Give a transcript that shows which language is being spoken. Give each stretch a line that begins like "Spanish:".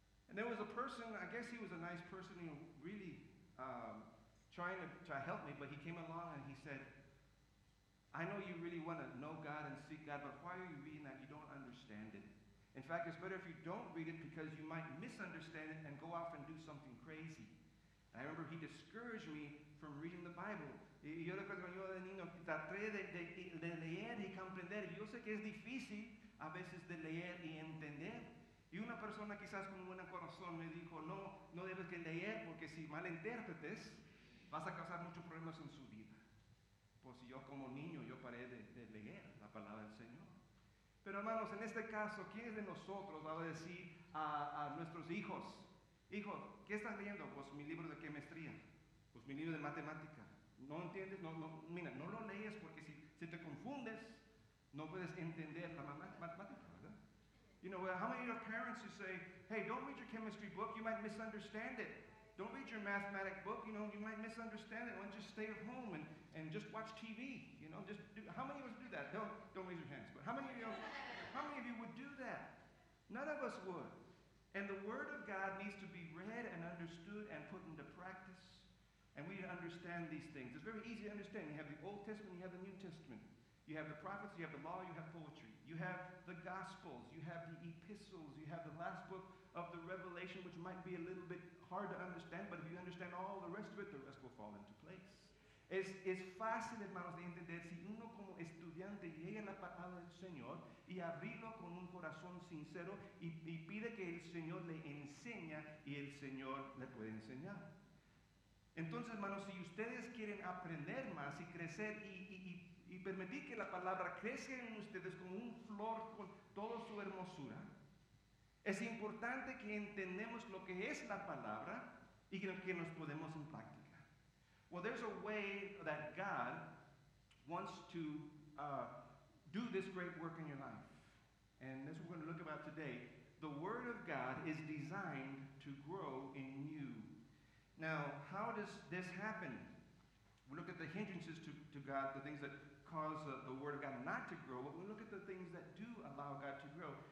English: And there was a person, I guess he was a nice person, you know, really trying to help me, but he came along and he said, I know you really want to know God and seek God, but why are you reading that? You don't understand it. In fact, it's better if you don't read it because you might misunderstand it and go off and do something crazy. And I remember he discouraged me from reading the Bible.
Spanish: Yo recuerdo yo de niño, traté de leer y comprender. Yo sé que es difícil a veces de leer y entender. Y una persona quizás con un buen corazón me dijo, no, no debes que leer porque si mal interpretes, vas a causar muchos problemas en su vida. Pues yo como niño, yo paré de leer la palabra del Señor. Pero hermanos, en este caso, ¿quién de nosotros va a decir a nuestros hijos? Hijo, ¿qué estás leyendo? Pues mi libro de qué maestría. Pues mi libro de matemática. ¿No entiendes? No, mira, no lo lees porque si te confundes, no puedes entender la matemática, ¿verdad?
English: You know, well, how many of your parents who say, hey, don't read your chemistry book, you might misunderstand it. Don't read your mathematic book, you know, you might misunderstand it. Why don't you stay at home and just watch TV, you know? How many of us do that? Don't raise your hands, but how many of you would do that? None of us would. And the Word of God needs to be read and understood and put into practice. And we need to understand these things. It's very easy to understand. You have the Old Testament, you have the New Testament. You have the prophets, you have the law, you have poetry. You have the Gospels, you have the epistles, you have the last book of the Revelation, which might be a little bit hard to understand, but if you understand all the rest of it, the rest will fall into place.
Spanish: Es fácil, hermanos, de entender si uno como estudiante llega a la palabra del Señor y abrirlo con un corazón sincero y pide que el Señor le enseñe y el Señor le puede enseñar. Entonces, hermanos, si ustedes quieren aprender más y crecer y permitir que la palabra crezca en ustedes como un flor con toda su hermosura, es importante que entendamos lo que es la palabra y que nos podemos en práctica.
English: Well, there's a way that God wants to do this great work in your life. And that's what we're going to look about today. The Word of God is designed to grow in you. Now, how does this happen? We look at the hindrances to God, the things that cause the Word of God not to grow, but we look at the things that do allow God to grow.